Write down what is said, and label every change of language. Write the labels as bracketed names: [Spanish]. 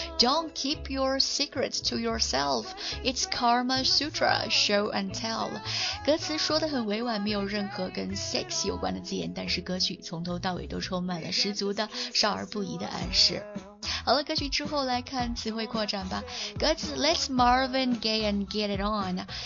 [English] Don't keep your secrets to yourself, it's karma sutra, show and tell。 [Chinese] 歌词说得很委婉，没有任何跟 sex 有关的字眼，但是歌曲从头到尾都充满了十足的少儿不宜的暗示。好了，歌曲之后来看词汇扩展吧。歌词 [English] Let's Marvin Gaye and get it on.